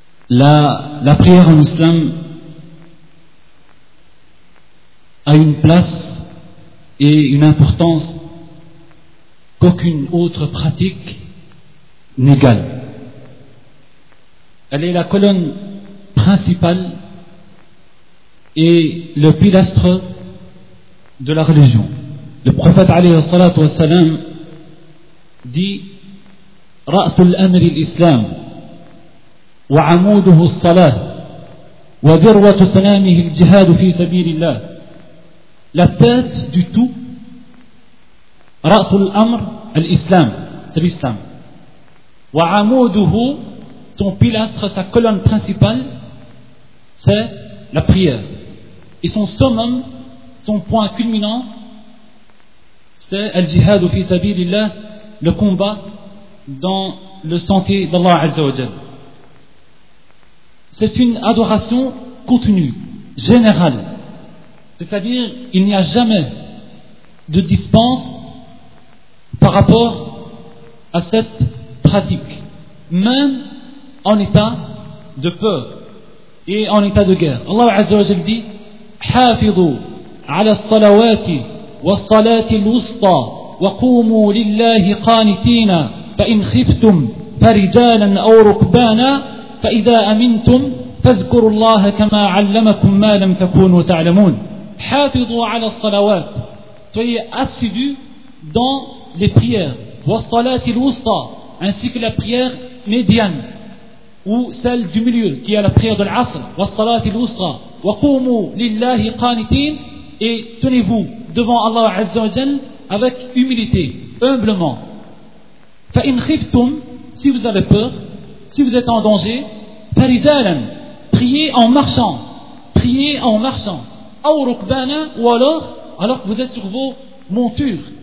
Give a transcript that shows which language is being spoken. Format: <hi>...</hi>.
<fr>la prière en islam a une place et une importance qu'aucune autre pratique n'égale. Elle est la colonne principale et le pilastre de la religion.</fr> <ar>Le prophète عليه الصلاة والسلام dit رأس الأمر الإسلام وعموده الصلاة وذروة سلامه الجهاد في سبيل الله.</ar> <fr>La tête du tout,</fr> <ar>رأس الأمر الإسلام,</ar> <fr>c'est l'islam.</fr> <ar>وعموده,</ar> <fr>ton pilastre, sa colonne principale, c'est la prière. Et son summum, son point culminant, c'est le jihad fi sabilillah, le combat dans le sentier d'Allah Azza wa Jalla. C'est une adoration continue, générale. C'est-à-dire, il n'y a jamais de dispense par rapport à cette pratique, même en état de peur et en état de guerre.</fr> <ar>Allah Azza wa Jalla dit Hafidhu ala salawati والصلاة الوسطى وقوموا لله قانتين فإن خفتم فرجالا أو ركبانا فإذا أمنتم فاذكروا الله كما علمكم ما لم تكونوا تعلمون. حافظوا على الصلوات.</ar> <fr>Soyez assidu dans les prières.</fr> <ar>والصلاة الوسطى,</ar> <fr>ainsi que la prière médiane ou celle du milieu qui est la prière de l'asr.</fr> <ar>والصلاة الوسطى وقوموا لله قانتين.</ar> <fr>Et tenez-vous devant Allah Azza wa Jal avec humilité, humblement.</fr> <ar>فَإِنْ خِفْتُمْ,</ar> <fr>si vous avez peur, si vous êtes en danger,</fr> <ar>فَرِجَالًا,</ar> <fr>priez en marchant, priez en marchant.</fr> <ar>أَوْ رُكْبَانًا,</ar> <fr>ou alors que vous êtes sur vos montures.</fr>